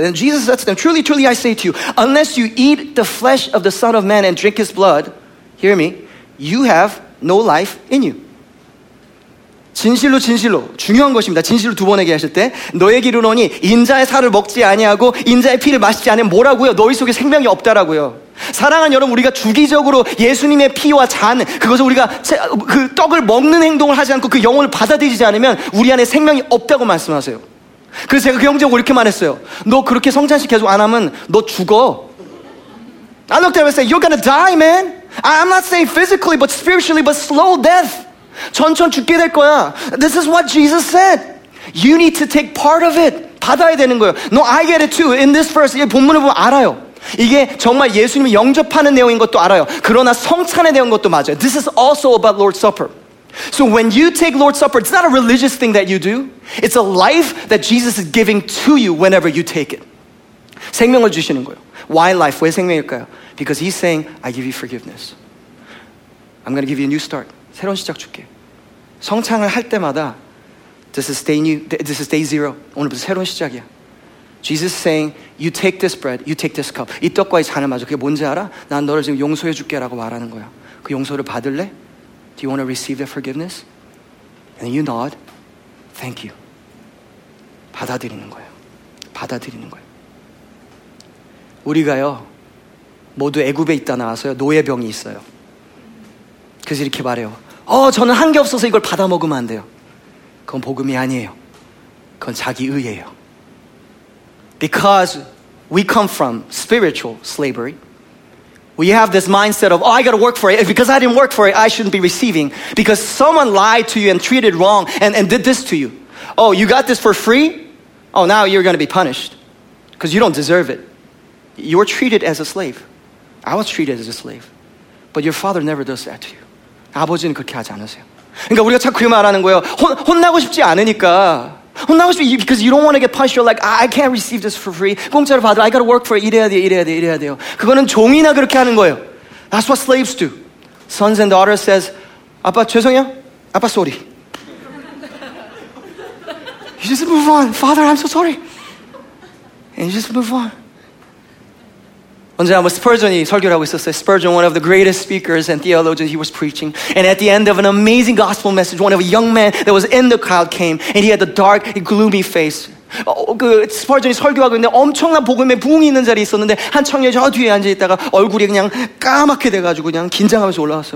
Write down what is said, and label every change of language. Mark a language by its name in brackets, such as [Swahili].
[English] And Jesus said to them, "Truly, truly, I say to you, unless you eat the flesh of the Son of Man and drink His blood, hear me, you have no life in you." [Korean] 진실로 진실로 중요한 것입니다. 진실로 두 번 얘기하실 때 너에게 이르노니 인자의 살을 먹지 아니하고 인자의 피를 마시지 않으면 뭐라고요? 너희 속에 생명이 없다라고요. 사랑하는 여러분, 우리가 주기적으로 예수님의 피와 잔 그것을 우리가 그 떡을 먹는 행동을 하지 않고 그 영혼을 받아들이지 않으면 우리 안에 생명이 없다고 말씀하세요. 그래서 제가 그 형제하고 이렇게 말했어요. 너 그렇게 성찬식 계속 안 하면 너 죽어. [English] I looked at him and said, "You're gonna die, man. I'm not saying physically, but spiritually, but slow death." [Korean] 천천히 죽게 될 거야. [English] This is what Jesus said. You need to take part of it. [Korean] 받아야 되는 거예요. [English] No, I get it too. In this verse, [Korean] 이 본문을 보면 알아요. 이게 정말 예수님이 영접하는 내용인 것도 알아요. 그러나 성찬의 내용인 것도 맞아요. [English] This is also about Lord's Supper. So when you take Lord's Supper, it's not a religious thing that you do. It's a life that Jesus is giving to you whenever you take it. [Korean] 생명을 주시는 거예요. [English] Why life? [Korean] 왜 생명일까요? [English] Because he's saying, "I give you forgiveness. I'm going to give you a new start. [Korean] 새로운 시작 줄게." 성찬을 할 때마다 [English] This is day zero. [Korean] 오늘부터 새로운 시작이야. [English] Jesus is saying, "You take this bread, you take this cup." [Korean] 이 떡과 이 잔을 마셔. 그게 뭔지 알아? 난 너를 지금 용서해 줄게 라고 말하는 거야. 그 용서를 받을래? [English] Do you want to receive the forgiveness? And you nod, "Thank you." [Korean] 받아들이는 거야. 받아들이는 거야. 우리가요 모두 애굽에 있다 나와서요 노예병이 있어요. 그래서 이렇게 말해요. 저는 한 게 없어서 이걸 받아 먹으면 안 돼요. 그건 복음이 아니에요. 그건 자기 의예요. [English] Because we come from spiritual slavery, we have this mindset of, "Oh, I got to work for it. Because I didn't work for it, I shouldn't be receiving. Because someone lied to you and treated wrong and did this to you. Oh, you got this for free? Oh, now you're going to be punished. Because you don't deserve it. You were treated as a slave. I was treated as a slave. But your father never does that to you." [Korean] 아버지는 그렇게 하지 않으세요. 그러니까 우리가 자꾸 그 말하는 거예요. 혼나고 싶지 않으니까. 혼나고 싶지, [English] because you don't want to get punished. You're like, "I can't receive this for free. [Korean] 공짜로 받아. [English] I gotta work for it. [Korean] 이래야 돼, 이래야 돼, 이래야 돼요." 그거는 종이나 그렇게 하는 거예요. [English] That's what slaves do. Sons and daughters says, [Korean] "아빠 죄송해요. 아빠 [English] sorry." You just move on. "Father, I'm so sorry." And you just move on. [Korean] 언제 한번 스펄전이 설교를 하고 있었어요. [English] Spurgeon, one of the greatest speakers and theologians, he was preaching. And at the end of an amazing gospel message, one of a young man that was in the crowd came, and he had a dark, gloomy face. [Korean] 스펄전이 설교하고 있는데 엄청난 복음의 부흥이 있는 자리에 있었는데 한 청년이 저 뒤에 앉아있다가 얼굴이 그냥 까맣게 돼가지고 그냥 긴장하면서 올라왔어요.